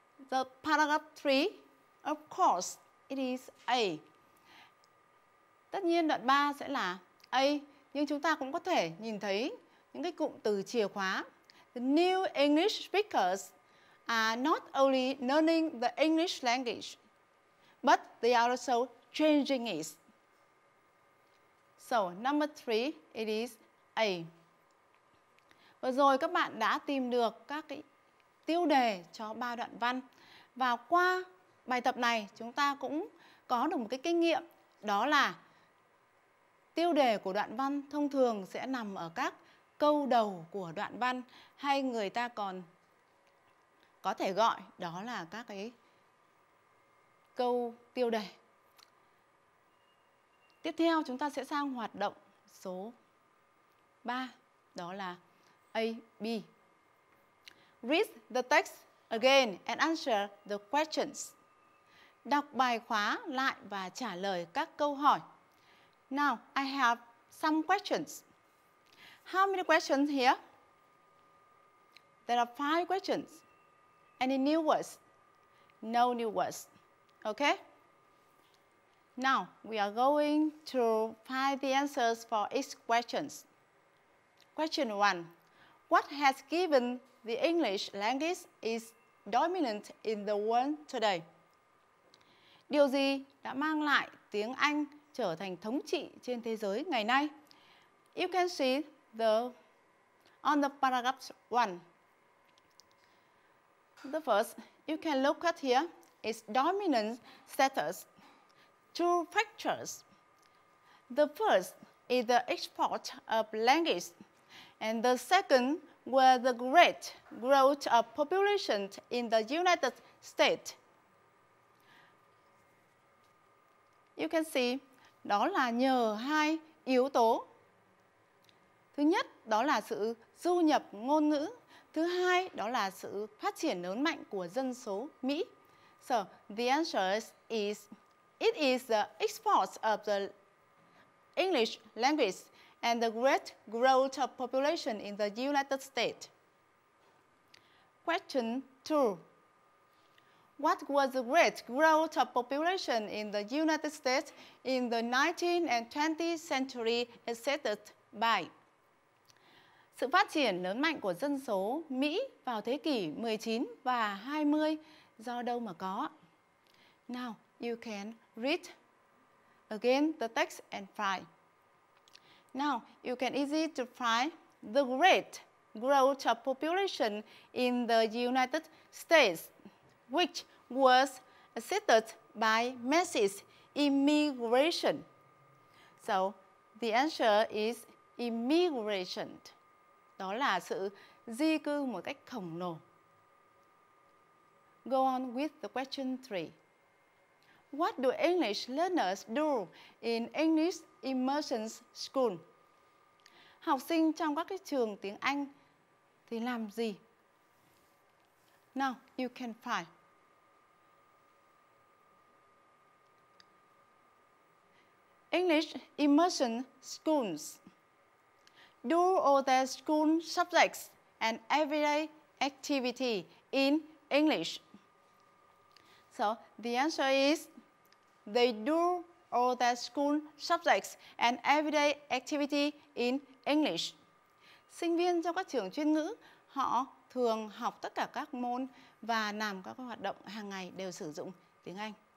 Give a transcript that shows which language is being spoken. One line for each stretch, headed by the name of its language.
English: The paragraph 3, of course, it is A.
Vietnamese: Tất nhiên đoạn 3 sẽ là A, nhưng chúng ta cũng có thể nhìn thấy những cái cụm từ chìa khóa.
English: The new English speakers are not only learning the English language, but they are also changing it. So, number 3, it is A.
Vietnamese: Vừa rồi các bạn đã tìm được các cái tiêu đề cho 3 đoạn văn. Và qua bài tập này, chúng ta cũng có được một cái kinh nghiệm, đó là tiêu đề của đoạn văn thông thường sẽ nằm ở các câu đầu của đoạn văn, hay người ta còn có thể gọi đó là các cái câu tiêu đề. Tiếp theo chúng ta sẽ sang hoạt động số 3, đó là A, B.
English: Read the text again and answer the questions.
Vietnamese: Đọc bài khóa lại và trả lời các câu hỏi.
English: Now, I have some questions. How many questions here? There are 5 questions. Any new words? No new words. Okay? Now, we are going to find the answers for each question. Question 1. What has given the English language its dominance in the world today?
Vietnamese: Điều gì đã mang lại tiếng Anh trở thành thống trị trên thế giới ngày nay?
English: You can see on the paragraph 1. The first, you can look at here, its dominant status. 2 factors. The first is the export of language, and the second were the great growth of population in the United States. You can see,
Vietnamese: đó là nhờ hai yếu tố. Thứ nhất, đó là sự du nhập ngôn ngữ. Thứ hai, đó là sự phát triển lớn mạnh của dân số Mỹ.
English: So, the answer is it is the export of the English language and the great growth of population in the United States. Question 2. What was the great growth of population in the United States in the 19th and 20th century assisted by?
Vietnamese: Sự phát triển lớn mạnh của dân số Mỹ vào thế kỷ 19 và 20 do đâu mà có?
English: Now, you can read again the text and find. Now, you can easy to find the great growth of population in the United States, which was assisted by massive immigration. So, the answer is immigration.
Vietnamese: Đó là sự di cư một cách khổng lồ.
English: Go on with the question 3. What do English learners do in English immersion school?
Vietnamese: Học sinh trong các cái trường tiếng Anh thì làm gì?
English: Now, you can find. English immersion schools do all their school subjects and everyday activity in English. So, the answer is they do all their school subjects and everyday activity in English.
Vietnamese: sinh viên trong các trường chuyên ngữ, họ thường học tất cả các môn và làm các hoạt động hàng ngày đều sử dụng tiếng Anh.